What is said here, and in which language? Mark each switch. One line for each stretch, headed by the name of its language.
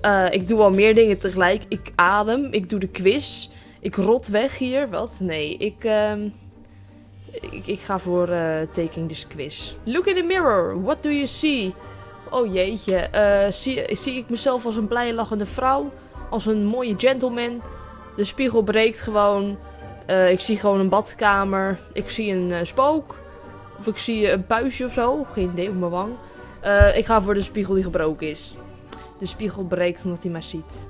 Dutch: Ik doe al meer dingen tegelijk. Ik adem, ik doe de quiz. Ik rot weg hier. Wat? Nee, Ik ga voor
English: taking this quiz. Look in the mirror, what do you see?
Dutch: Oh jeetje, zie ik mezelf als een blije lachende vrouw? Als een mooie gentleman? De spiegel breekt gewoon. Ik zie gewoon een badkamer. Ik zie een spook. Of ik zie een puistje of zo. Geen idee, op mijn wang. Ik ga voor de spiegel die gebroken is. De spiegel breekt omdat hij mij ziet.